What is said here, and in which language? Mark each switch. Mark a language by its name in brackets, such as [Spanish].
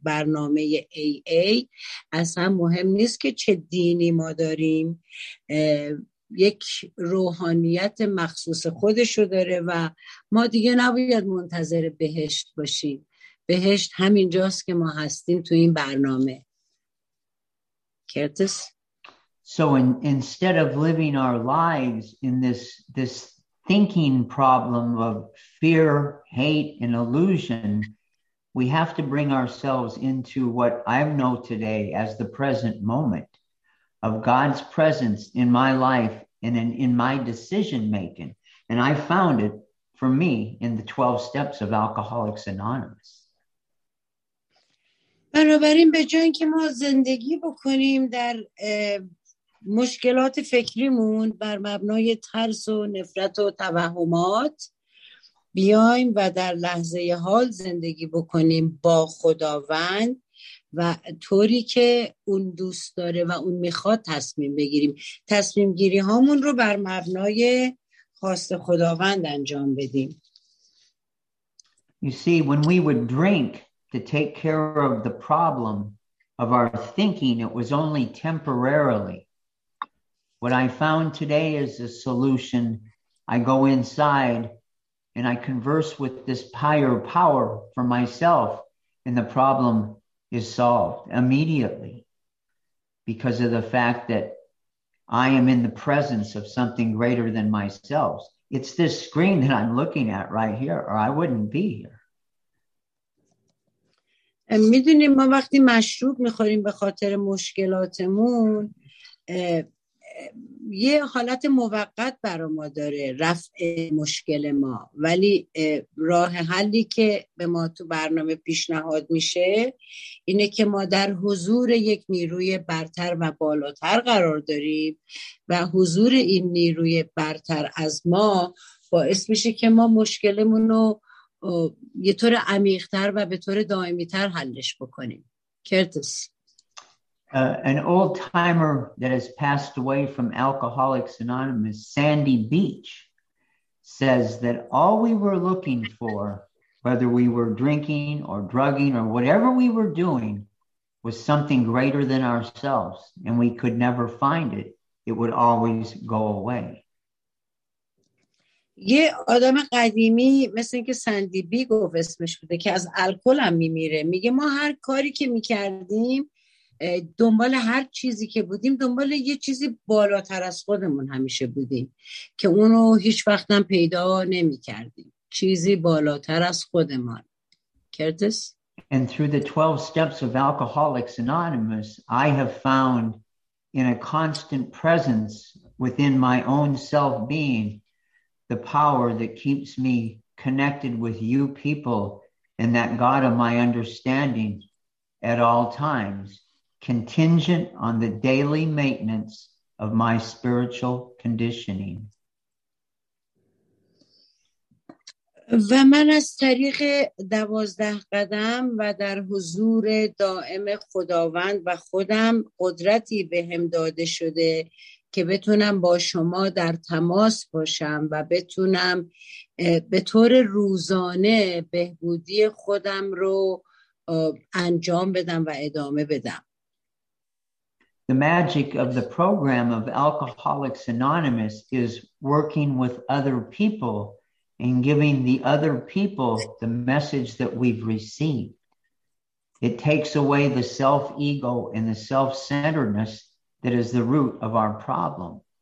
[Persian] برنامه AA اصلا مهم نیست که چه دینی ما داریم، یک روحانیت مخصوص خودشو داره و ما دیگه نباید منتظر بهشت باشیم. بهشت همینجاست که ما هستیم تو این برنامه. [English] Curtis? So instead of living our lives in this thinking problem of fear, hate, and illusion, we have to bring ourselves into what I know today as the present moment of God's presence in my life and in my decision making. And I found it for me in the 12 steps of Alcoholics Anonymous. [Persian] بنابراین به جای اینکه ما زندگی بکنیم در مشکلات فکریمون بر مبنای ترس و نفرت و توهمات، بیایم و در لحظه حال زندگی بکنیم با خداوند و طوری که اون دوست داره و اون میخواد تصمیم بگیریم. تصمیم گیری هامون رو بر مبنای خواست خداوند انجام بدیم. [English] You see, when we would drink to take care of the problem of our thinking, it was only temporarily. What I found today is a solution. I go inside and I converse with this higher power for myself, and the problem is solved immediately because of the fact that I am in the presence of something greater than myself. It's this screen that I'm looking at right here, or I wouldn't be here. [Persian] میدونیم ما وقتی مشروب میخوریم به خاطر مشکلاتمون، یه حالت موقت برا ما داره رفع مشکل ما، ولی راه حلی که به ما تو برنامه پیشنهاد میشه اینه که ما در حضور یک نیروی برتر و بالاتر قرار داریم و حضور این نیروی برتر از ما باعث میشه که ما مشکلمونو یه طور عمیق‌تر و به طور دائمی‌تر حلش بکنیم. [English] Curtis. An old timer that has passed away from Alcoholics Anonymous, Sandy Beach, says that all we were looking for, whether we were drinking or drugging or whatever we were doing, was something greater than ourselves, and we could never find it. It would always go away. [Persian] یه آدم قدیمی مثل اینکه سندی بیگو اسمش بوده که از الکل هم میمیره، میگه ما هر کاری که میکردیم، دنبال هر چیزی که بودیم، دنبال یه چیزی بالاتر از خودمون همیشه بودیم که اونو هیچ وقت هم پیدا نمیکردیم، چیزی بالاتر از خودمان. [English] Curtis. And through the 12 steps of Alcoholics Anonymous, I have found in a constant presence within my own self-being the power that keeps me connected with you people, and that God of my understanding at all times, contingent on the daily maintenance of my spiritual conditioning. [Persian] و من از طریق 12 قدم و در حضور دائم خداوند و خودم قدرتی بهم داده شده که بتونم با شما در تماس باشم و بتونم به طور روزانه بهبودی خودم رو انجام بدم و ادامه بدم. [English] The magic of the program of Alcoholics Anonymous is working with other people and giving the other people the message that we've received. It takes away the self-ego and the self-centeredness that is the root of our problem.